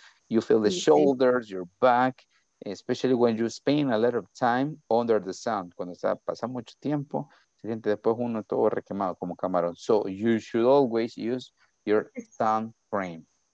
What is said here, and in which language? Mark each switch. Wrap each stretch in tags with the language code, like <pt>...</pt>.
<en>You feel the shoulders, your back, especially when you spend a lot of time under the sun.</en> <es>Cuando pasa mucho tiempo, se siente después uno todo requemado como camarón.</es> <en>So, you should always use your sun cream.</en>